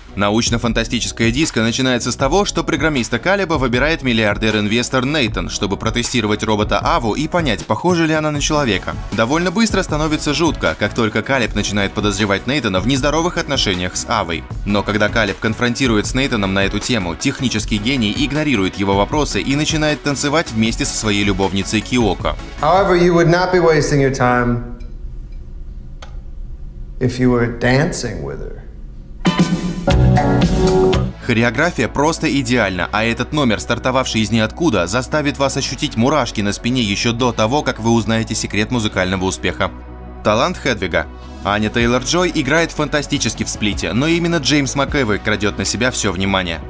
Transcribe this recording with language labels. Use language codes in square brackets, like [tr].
[ru] Научно-фантастическое диско начинается с того, что программиста Калиба выбирает миллиардер-инвестор Нейтан, чтобы протестировать робота Аву и понять, похожа ли она на человека. Довольно быстро становится жутко, как только Калиб начинает подозревать Нейтана в нездоровых отношениях с Авой. Но когда Калиб конфронтирует с Нейтаном на эту тему, технический гений и игнорирует его вопросы и начинает танцевать вместе со своей любовницей Киоко. [en] However, you would not be wasting your time if you were dancing with her. [ru] Хореография просто идеальна, а этот номер, стартовавший из ниоткуда, заставит вас ощутить мурашки на спине еще до того, как вы узнаете секрет музыкального успеха. Талант Хедвига. Аня Тейлор-Джой играет фантастически в «Сплите», но именно Джеймс МакЭвой крадет на себя все внимание.